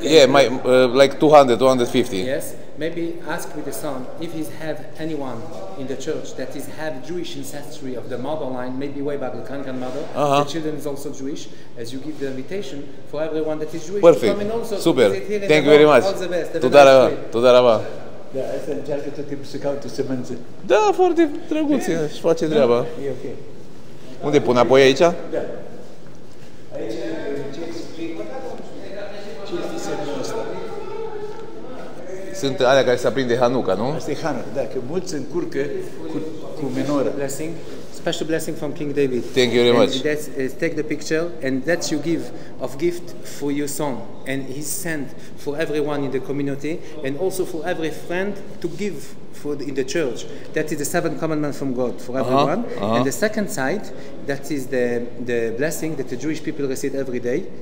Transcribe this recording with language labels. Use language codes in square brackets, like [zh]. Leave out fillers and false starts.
[en] yeah, my like 200, 250. Yes. Maybe ask with the son if he's have anyone in the church that is have Jewish ancestry of the mother line, maybe way back the Kankan mother, uh-huh. The children is also Jewish, as you give the invitation for everyone that is Jewish. Perfect. To come in also. Super. Thank you very much. All the best. [he] Tuda raba. Tuda raba. [ro] Da, asta încearcă tot timpul să caute să mânze. Da, foarte drăguț, își face treaba. E ok. Unde pun apoi aici? Da. Aici ce explic? Ce este semnul ăsta? Sunt alea care se aprinde Hanuca, nu? Asta e Hanuca, da, că mulți se încurcă cu menoră. [en] Blessing, special blessing from King David. Thank you very much. And that's, take the picture and that you give of gift for your son. And he's sent for everyone in the community and also for every friend to give for the, in the church. That is the seventh commandment from God for everyone. Uh-huh. Uh-huh. And the second side, that is the blessing that the Jewish people receive every day.